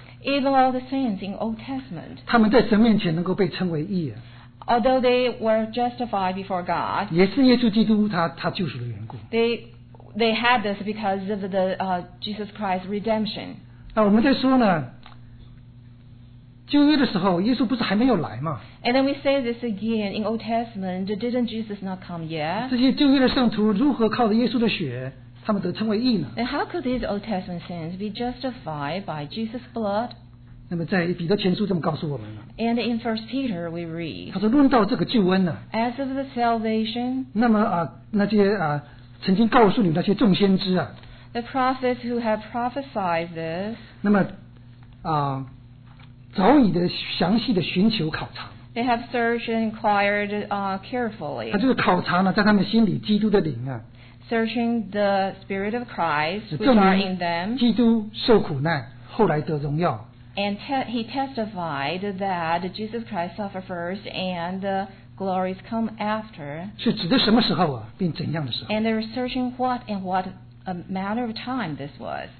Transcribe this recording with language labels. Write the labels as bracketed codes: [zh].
[en] even all the saints in Old Testament, [zh] 他们在神面前能够被称为义, [en] although they were justified before God, [zh] 也是耶稣基督他救赎的缘故, [en] they had this because of the Jesus Christ's redemption. [zh] 那我们在说呢, 旧约的时候耶稣不是还没有来吗? [en] And then we say this again in Old Testament, didn't Jesus not come yet? [zh] 这些旧约的圣徒如何靠着耶稣的血, 他们得称为义呢? [en] And how could these Old Testament sins be justified by Jesus' blood? [zh] 那么在彼得前书这么告诉我们呢? [en] And in 1 Peter we read, [zh] 他说论到这个救恩呢, [en] as of the salvation, [zh] 那么曾经告诉你那些众先知啊, [en] the prophets who have prophesied this, [zh] 那么, 早已的详细的寻求考察, [en] they have searched and inquired carefully. [zh] 他就是考察呢, 在他们心里基督的灵啊, [en] searching the Spirit of Christ which are in them. [zh] 基督受苦难, [en] and he testified that Jesus Christ suffered first and the glories come after. [zh] 是指的什么时候啊, 并怎样的时候? [en] And they were searching what and what a matter of time this was.